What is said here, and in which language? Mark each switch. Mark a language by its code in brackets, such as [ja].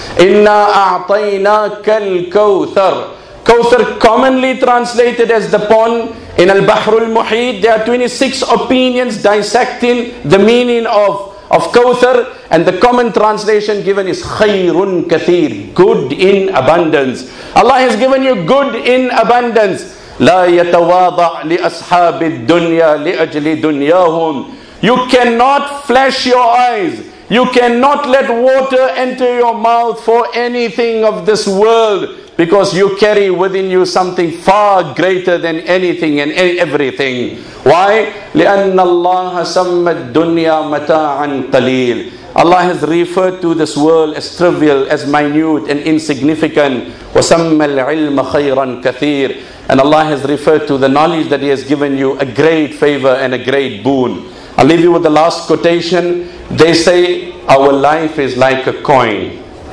[en] Inna a'tainaka al-kawthar. Kawthar, commonly translated as the pond. In al-bahrul muhit, there are 26 opinions dissecting the meaning of kawthar. And the common translation given is khayrun kathir, good in abundance. Allah has given you good in abundance. [ar] لا يتواضع لأصحاب الدنيا لأجل دنياهم. [en] You cannot flash your eyes. You cannot let water enter your mouth for anything of this world, because you carry within you something far greater than anything and everything. Why? [ar] لأن الله سمى الدنيا متاعا قليل. [en] Allah has referred to this world as trivial, as minute and insignificant. [ar] وسمى العلم خيرا كثير. [en] And Allah has referred to the knowledge that He has given you a great favor and a great boon. I'll leave you with the last quotation. They say, our life is like a coin.